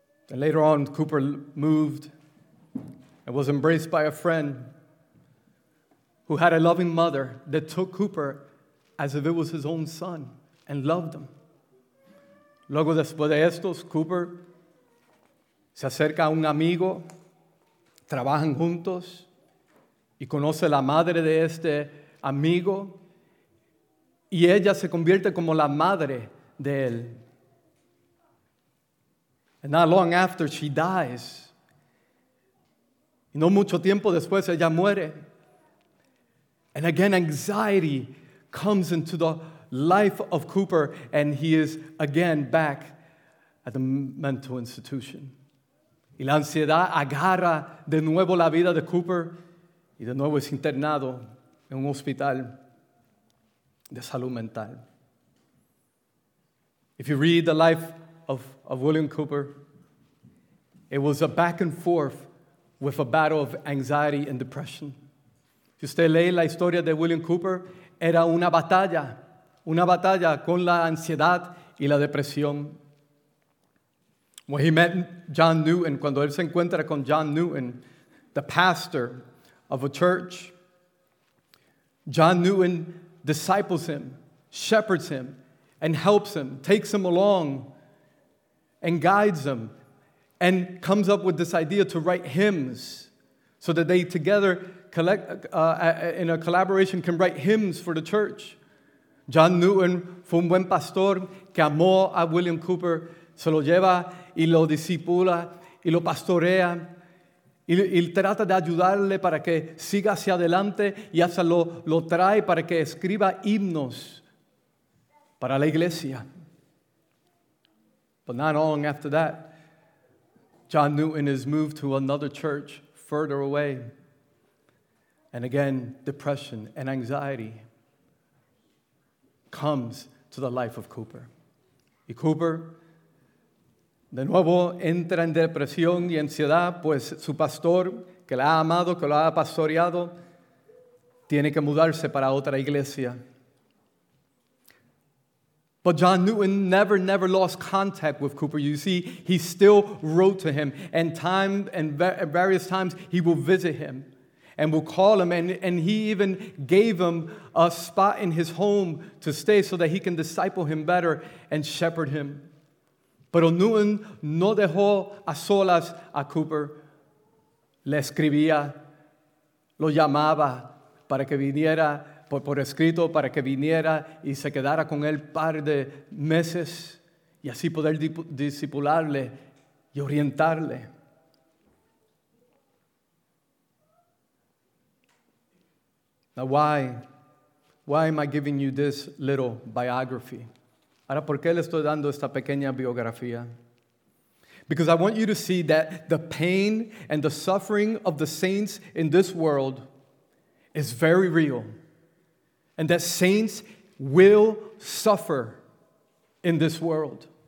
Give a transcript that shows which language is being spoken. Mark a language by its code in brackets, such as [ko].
[en] And later on, Cooper moved and was embraced by a friend who had a loving mother that took Cooper as if it was his own son and loved him. [es] Luego, después de estos, Cooper se acerca a un amigo, trabajan juntos, y conoce la madre de este amigo, y ella se convierte como la madre de él. [en] And not long after, she dies. [es] Y no mucho tiempo después, ella muere. [en] And again, anxiety comes into the life of Cooper, and he is again back at the mental institution. [es] Y la ansiedad agarra de nuevo la vida de Cooper, y de nuevo es internado en un hospital de salud mental. [en] If you read the life of William Cooper, it was a back and forth with a battle of anxiety and depression. [es] Si usted lee la historia de William Cooper, era una batalla con la ansiedad y la depresión. [en] When he met John Newton, [es] cuando él se encuentra con John Newton, [en] the pastor of a church, John Newton disciples him, shepherds him, and helps him, takes him along, and guides him, and comes up with this idea to write hymns so that they together collect, in a collaboration can write hymns for the church. [es] John Newton fue un buen pastor que amó a William Cooper, se lo lleva y lo discipula y lo pastorea y trata de ayudarle para que siga hacia adelante y hasta lo trae para que escriba himnos para la iglesia. [en] But not long after that, John Newton is moved to another church further away. And again, depression and anxiety comes to the life of Cooper. [es] Y Cooper, de nuevo, entra en depresión y ansiedad, pues su pastor, que la ha amado, que lo ha pastoreado, tiene que mudarse para otra iglesia. [en] But John Newton never lost contact with Cooper. You see, he still wrote to him, various times he will visit him and will call him, and he even gave him a spot in his home to stay so that he can disciple him better and shepherd him. [es] Pero Newton no dejó a solas a Cooper. Le escribía, lo llamaba para que viniera por escrito, para que viniera y se quedara con él par de meses y así poder discipularle y orientarle. [en] Now why am I giving you this little biography? [es] Ahora, ¿por qué le estoy dando esta pequeña biografía? [en] Because I want you to see that the pain and the suffering of the saints in this world is very real. And that saints will suffer in this world.